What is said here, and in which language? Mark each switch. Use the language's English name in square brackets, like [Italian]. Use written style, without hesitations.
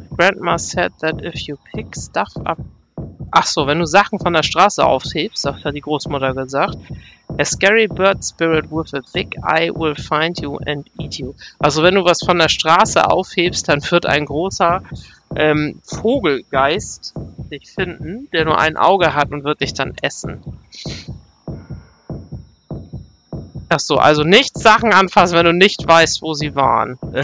[English] Grandma said that if you pick stuff up. [German] Ach so, wenn du Sachen von der Straße aufhebst, das hat die Großmutter gesagt. [English] A scary bird spirit with a thick eye will find you and eat you. [German] Also wenn du was von der Straße aufhebst, dann wird ein großer Vogelgeist dich finden, der nur ein Auge hat und wird dich dann essen. Achso, also nicht Sachen anfassen, wenn du nicht weißt, wo sie waren.